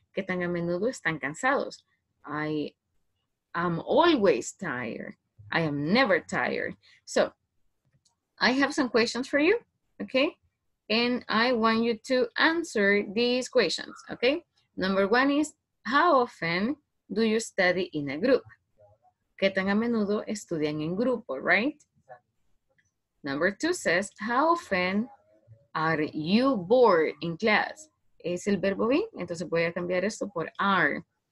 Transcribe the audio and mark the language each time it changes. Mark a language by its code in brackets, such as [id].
[es] ¿Qué tan a menudo están cansados? [en] I am always tired. I am never tired. So I have some questions for you, okay? And I want you to answer these questions, okay? Number one is, how often do you study in a group? [es] ¿Qué tan a menudo estudian en grupo, right? [en] Number two says, how often are you bored in class? [es] Es el verbo be, entonces voy a cambiar esto por are.